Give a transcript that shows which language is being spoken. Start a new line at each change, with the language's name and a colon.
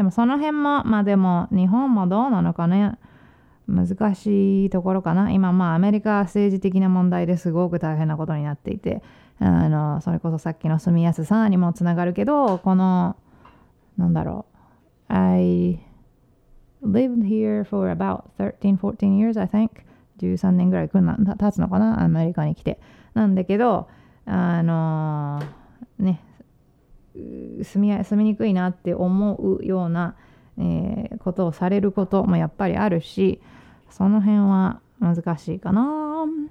Japanese: でもその辺も、まあでも日本もどうなのかね、難しいところかな。今まあアメリカは政治的な問題ですごく大変なことになっていて、あの、それこそさっきの住みやすさにもつながるけど、この、なんだろう。
English: I lived here for about 13, 14 years, I think.
Japanese: 13年ぐらい経つのかな、アメリカに来て。なんだけど、あのね、住みにくいなって思うような、ことをされることもやっぱりあるし、その辺は難しいかな。